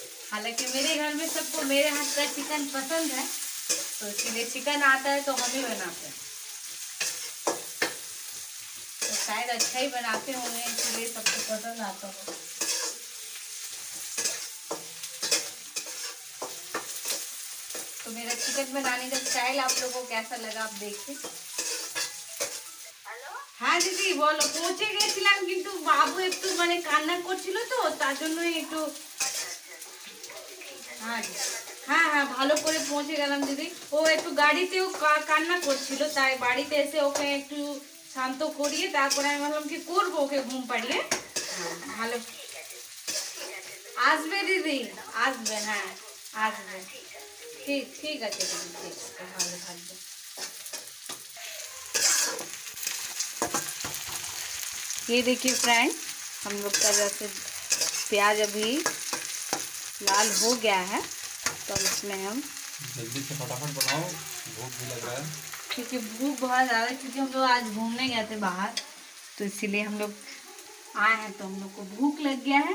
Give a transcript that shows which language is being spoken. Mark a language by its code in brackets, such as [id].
[hi] हालांकि मेरे घर में सबको मेरे हाथ का चिकन पसंद है, तो इसीलिए चिकन आता है तो हम ही बनाते हैं, तो शायद अच्छा ही बनाते होंगे इसीलिए सबको पसंद आता हो। तो मेरा चिकन बनाने का स्टाइल आप लोगों को कैसा लगा आप देखिए। [bn] হ্যাঁ দিদি বলো, পৌঁছে গিয়েছিলাম কিন্তু বাবু একটু মানে কান্না করছিল, তো তার জন্য একটু। হ্যাঁ হ্যাঁ হ্যাঁ, ভালো করে পৌঁছে গেলাম দিদি। ও একটু গাড়িতেও কান্না করছিল, তাই বাড়িতে এসে ওকে একটু শান্ত করিয়ে তারপরে আমি ভাবলাম কি করবো ওকে ঘুম পাড়িয়ে। ভালো, আসবে দিদি, আসবে, হ্যাঁ আসবে, ঠিক ঠিক আছে দিদি, ঠিক আছে, ভালো থাকবে। [hi] ये देखिए फ्रेंड, हम लोग का जैसे प्याज अभी लाल हो गया है, तो इसमें हम जल्दी से फटाफट बनाओ, भूख भी लग रहा है, क्योंकि भूख बहुत ज़्यादा, क्योंकि हम लोग आज घूमने गए थे बाहर, तो इसीलिए हम लोग आए हैं, तो हम लोग को भूख लग गया है।